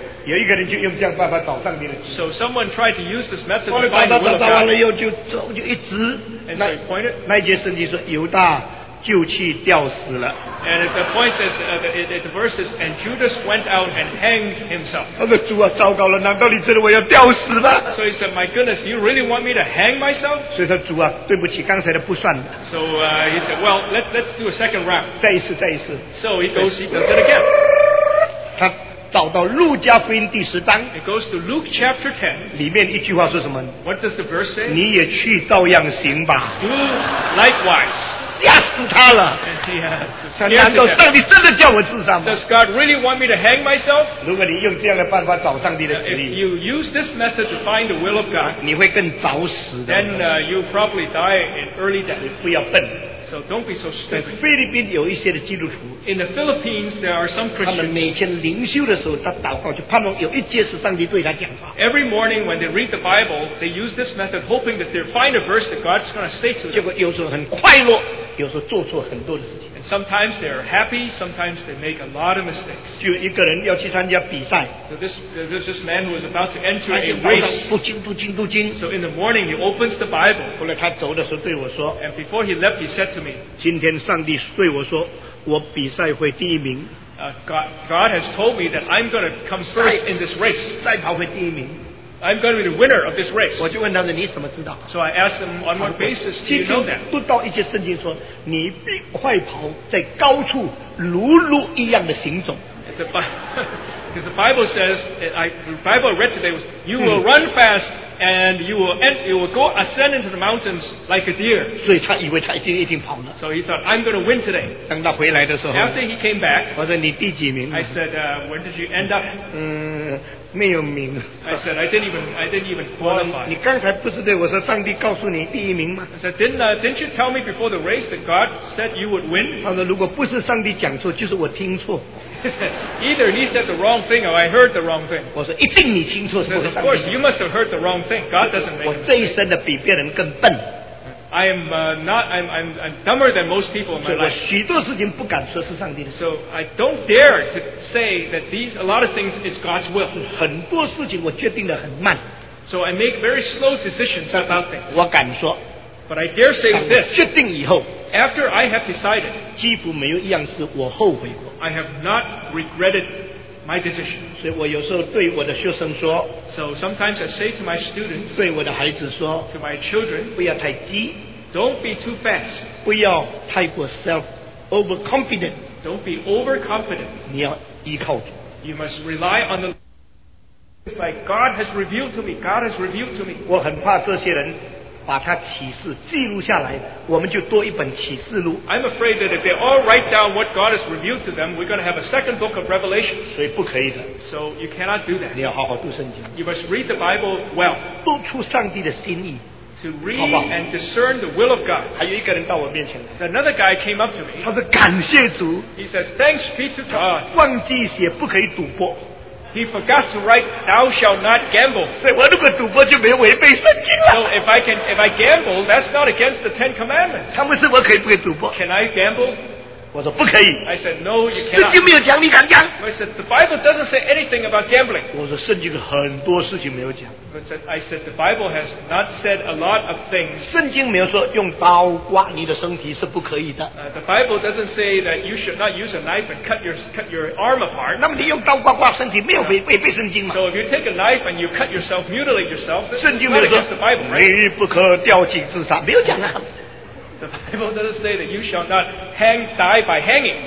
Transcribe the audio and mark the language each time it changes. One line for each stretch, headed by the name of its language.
Chinese: 有一个人就用这样办法找上帝的旨意。
English: So someone tried to use this method to find the will of God.
Chinese: 找完了以后就一直。
English: And so he pointed.
Chinese: 那一节圣经说，犹大。就去吊死了。
English: And the point says, the verse is, and Judas went out and hanged himself.
Chinese: 那个主啊，糟糕了，难道你真的我要吊死吗？
English: So he said, my goodness, you really want me to hang myself?
Chinese: 所以他主啊，对不起，刚才的不算了。
English: So he said, well, let's do a second round.
Chinese: 再一次。
English: So he does it again.
Chinese: 他找到路加福音第十章。
English: It goes to Luke chapter 10.
Chinese: 里面一句话说什么？
English: What does the verse say?
Chinese: 你也去照样行吧。
English: Do likewise.
Chinese: 吓死他了！难道上帝真的叫我自杀吗？
English: Does God really want me to hang myself?
Chinese: 如果你用这样的办法找上帝的旨意，
English: if you use this method to find the will of God,
Chinese: 你会更早死的。
English: Then you probably die in early death.
Chinese: 你不要笨。
English: So don't be so stupid.
Chinese: 在菲律宾有一些的基督徒，
English: in the Philippines there are some Christians.
Chinese: 他们每天灵修的时候，他祷告，就盼望有一节是上帝对他讲话。
English: Every morning when they read the Bible, they use this method, hoping that they find a verse that God's going to say to them.
Chinese: 结果有时候很快乐。
English: And sometimes they are happy, sometimes they make a lot of mistakes. So this man who was about to enter a race.
Chinese: 不禁。
English: So in the morning he opens the Bible.
Chinese: 后来他走的时候对我说,
English: and before he left he said to me,
Chinese: 今天上帝对我说,
English: God has told me that I'm going to come first in this race.
Chinese: 赛跑会第一名。
English: I'm going to be the winner of this race.
Chinese: 我就问他说,
English: so I asked him, on what basis do you know that?
Chinese: 不到一些圣经说, 你必快跑, 在高处, 如鹿一样的行走。
English: The Bible says, the Bible I read today was, you will run fast and you will ascend into the mountains like a deer. So he thought, I'm going to win today.
Chinese: 等他回来的时候,
English: after he came back,
Chinese: 我说你第几名?
English: I said, where did you end up?
Chinese: 没有名.
English: I said, I didn't even qualify.
Chinese: 你刚才不是对我说上帝告诉你第一名吗?
English: I said, didn't you tell me before the race that God said you would win?
Chinese: 他说如果不是上帝讲错就是我听错。
English: Either he said the wrong thing or I heard the wrong thing.
Chinese: 我说一定你听错,
English: said, of course, you must have heard the wrong thing. God doesn't make
Chinese: 我这一生的比别人更笨。
English: I'm dumber than most people in my life.
Chinese: 所以我许多事情不敢说是上帝的。
English: So I don't dare to say that these a lot of things is God's will.
Chinese: 很多事情我决定得很慢。
English: So I make very slow decisions about things.
Chinese: 我敢说,
English: but I dare say this.
Chinese: 当我决定以后,
English: after I have decided,
Chinese: 几乎没有一样事我后悔过。
English: I have not regretted my decision.
Chinese: 所以我有时候对我的学生说,
English: so sometimes I say to my students,
Chinese: 对我的孩子说,
English: to my children,
Chinese: 不要太急,
English: don't be too fast.
Chinese: 不要太过 self-overconfident.
English: Don't be overconfident.
Chinese: 你要依靠主。
English: You must rely on the Lord. It's like God has revealed to me. God has revealed to me.
Chinese: 我很怕这些人, 把他启示记录下来, 我们就多一本启示录。
English: I'm afraid that if they all write down what God has revealed to them, we're going to have a second book of Revelation.
Chinese: 所以不可以的。
English: So you cannot do that.
Chinese: 你要好好读圣经。
English: You must read the Bible well.
Chinese: 读出上帝的心意。
English: To read and discern the will of God.
Chinese: 还有一个人到我面前来。
English: Another guy came up to me.
Chinese: 他说感谢主。
English: He says, thanks be to God.
Chinese: 忘记写不可以赌博。
English: He forgot to write, thou shalt not gamble. So if I gamble, that's not against the Ten Commandments.
Chinese: 他问是我可以不可以赌博?
English: Can I gamble?
Chinese: 我说不可以。
English: I said, no, you cannot.
Chinese: 圣经没有讲你敢讲?
English: I said, the Bible doesn't say anything about gambling.
Chinese: 我说圣经很多事情没有讲。
English: I said, the Bible has not said a lot of things.
Chinese: 圣经没有说用刀刮你的身体是不可以的。
English: The Bible doesn't say that you should not use a knife and cut your arm apart.
Chinese: 那么你用刀刮刮身体没有违背圣经吗?
English: So if you take a knife and you cut yourself, mutilate yourself, this is not against the Bible, right?
Chinese: 你不可吊颈自杀,没有讲啊。
English: The Bible doesn't say that you shall not hang, die by hanging.